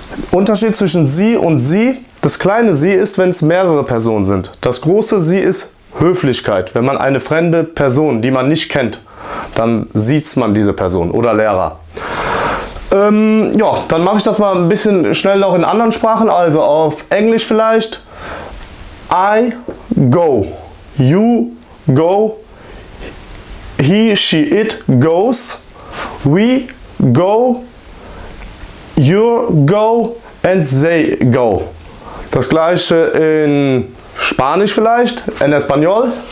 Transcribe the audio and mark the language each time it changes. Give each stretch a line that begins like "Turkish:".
German: Unterschied zwischen Sie und Sie. Das kleine Sie ist, wenn es mehrere Personen sind. Das große Sie ist Höflichkeit. Wenn man eine fremde Person, die man nicht kennt, dann sieht man diese Person oder Lehrer. Dann mache ich das mal ein bisschen schnell noch in anderen Sprachen, also auf Englisch vielleicht.
English: I go, you go, he, she, it goes, we go, you go and they go.
German: Das gleiche in Spanisch vielleicht,
Spanish: en español.